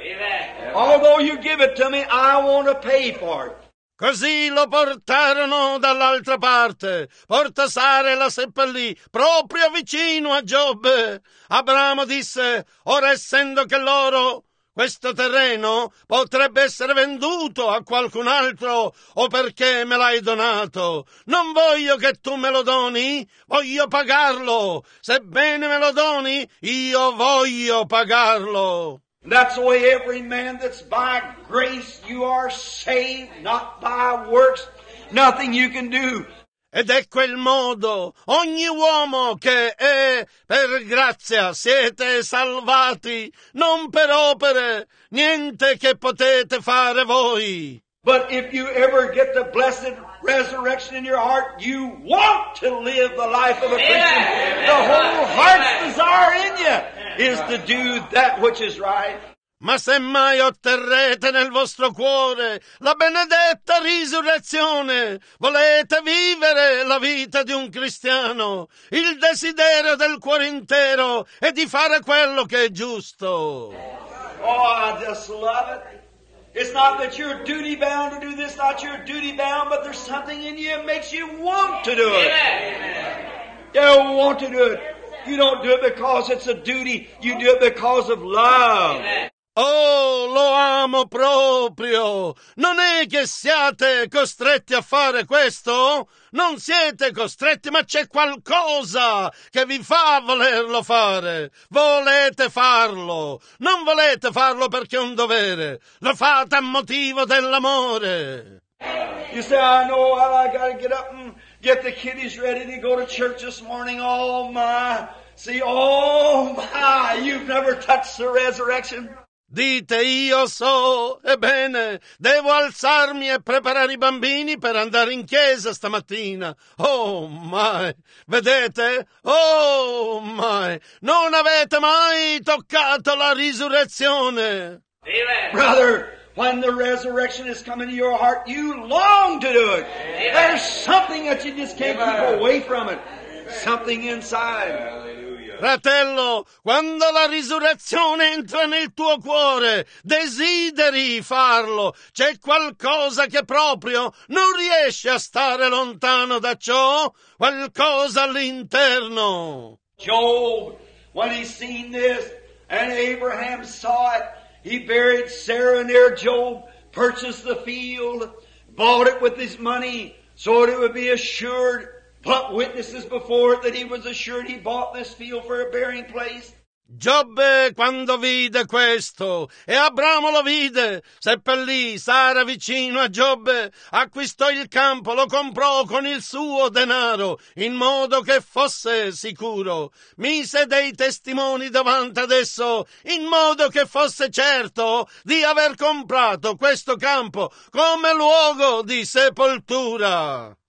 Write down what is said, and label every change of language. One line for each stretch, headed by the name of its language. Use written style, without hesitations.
English: Amen. Although you give it to me, I want to pay for it.
Italian: Così lo portarono dall'altra parte. Porta Sara la seppellì proprio vicino a Job. Abramo disse, ora essendo che loro... Questo terreno potrebbe essere venduto a qualcun altro o perché me l'hai donato. Non voglio che tu me lo doni, voglio pagarlo. Sebbene me lo doni, io voglio pagarlo.
English: That's the way every man that's by grace you are saved, not by works, nothing you can do.
Italian: Ed è quel modo, ogni uomo che è per grazia siete salvati, non per opere, niente che potete fare voi.
English: But if you ever get the blessed resurrection in your heart, you want to live the life of a Christian. Yeah. The whole heart's desire in you is to do that which is right.
Italian: Ma semmai otterrete nel vostro cuore la benedetta risurrezione, volete vivere la vita di un cristiano, il desiderio del cuore intero è di fare quello che è giusto.
English: Oh, I just love it. It's not that you're duty bound to do this, not you're duty bound, but there's something in you that makes you want to do it. Amen. You want to do it. You don't do it because it's a duty, you do it because of love. Amen.
Italian: Oh, lo amo proprio. Non è che siate costretti a fare questo? Non siete costretti, ma c'è qualcosa che vi fa volerlo fare. Volete farlo. Non volete farlo perché è un dovere. Lo fate a motivo dell'amore.
English: You say, I know how I gotta get up and get the kiddies ready to go to church this morning. Oh my, see, oh my, you've never touched the resurrection.
Italian: Dite, io so, ebbene, devo alzarmi e preparare i bambini per andare in chiesa stamattina. Oh, mai. Vedete? Oh, mai. Non avete mai toccato la risurrezione.
English: Amen. Brother, when the resurrection is coming to your heart, you long to do it. Amen. There's something that you just can't Amen. Keep away from it. Amen. Something inside.
Italian: Fratello, quando la risurrezione entra nel tuo cuore, desideri farlo. C'è qualcosa che proprio non riesce a stare lontano da ciò, qualcosa all'interno.
English: Job, when he seen this, and Abraham saw it, he buried Sarah near Job, purchased the field, bought it with his money, so it would be assured. Put witnesses before it that he was assured he bought this field for a burying place.
Italian: Giobbe, quando vide questo, e Abramo lo vide, seppellì Sara vicino a Giobbe, acquistò il campo, lo comprò con il suo denaro, in modo che fosse sicuro. Mise dei testimoni davanti ad esso, in modo che fosse certo di aver comprato questo campo come luogo di sepoltura.